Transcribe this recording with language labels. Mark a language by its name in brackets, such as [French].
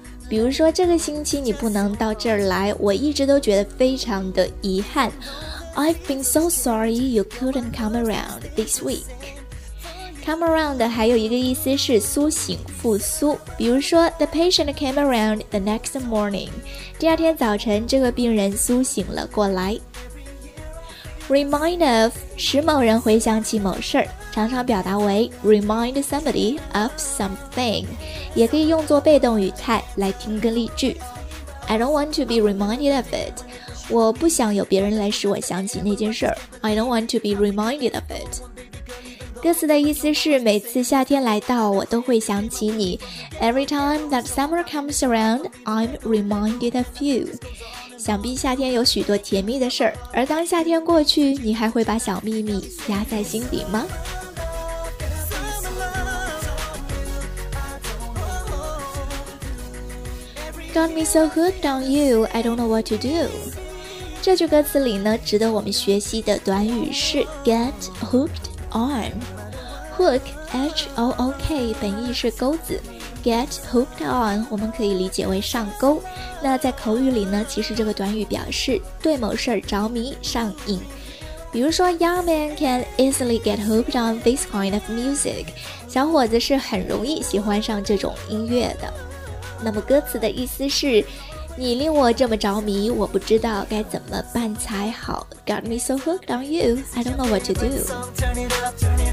[Chinese] 比如说这个星期你不能到这儿来，我一直都觉得非常的遗憾。 [English] I've been so sorry you couldn't come around this week. [Chinese] Come around 还有一个意思是苏醒、复苏。比如说 [English] The patient came around the next morning. [Chinese] 第二天早晨这个病人苏醒了过来。 Remind of 使某人回想起某事，常常表达为 [English] Remind somebody of something. [Chinese] 也可以用作被动语态来听个例句。 [English] I don't want to be reminded of it. [Chinese] 我不想有别人来使我想起那件事。 [English] I don't want to be reminded of it. [Chinese] 歌词的意思是每次夏天来到我都会想起你。 [English] Every time that summer comes around, I'm reminded of you. [Chinese] 想必夏天有许多甜蜜的事儿，而当夏天过去，你还会把小秘密压在心底吗？ [English] Got me so hooked on you, I don't know what to do. [Chinese] 这句歌词里呢，值得我们学习的短语是 get hooked on. Hook, H-O-O-K, 本意是钩子。Get hooked on, 我们可以理解为上钩。那在口语里呢，其实这个短语表示对某事着迷、上瘾。比如说 [English] Young man can easily get hooked on this kind of music. [Chinese] 小伙子是很容易喜欢上这种音乐的。那么歌词的意思是你令我这么着迷，我不知道该怎么办才好。 [English] Got me so hooked on you, I don't know what to do.